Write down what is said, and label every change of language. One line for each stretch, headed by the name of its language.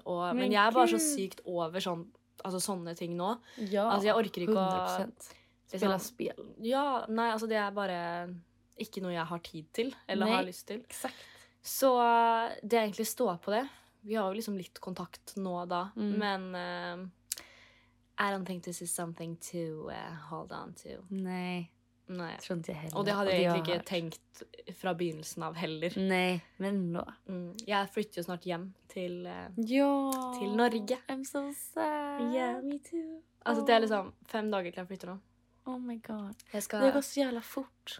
Swedish: Och, men jag är bara så sykt över sån, alltså såna ting nu. Ja, alltså jag orkar inte 100%. Spela spel. Ja, nej, alltså det är bara inte något jag har tid till eller nej, har lust till. Exakt. Så det är egentligen stå på det.
Norwegian: Vi har jo liksom litt kontakt nå da, mm.
English: men I don't think this is something to hold on to.
Norwegian: Nei. Nei. Tror ikke heller. Og det hadde jeg egentlig ikke tenkt fra begynnelsen av heller. Nei, men nå. Mm. Jeg flytter jo snart hjem til, ja. Til Norge.
English: I'm so sad. Yeah, me too.
Norwegian: Altså det liksom 5 dager til jeg flytter nå. Oh my god. Jeg skal, det går så jævla fort.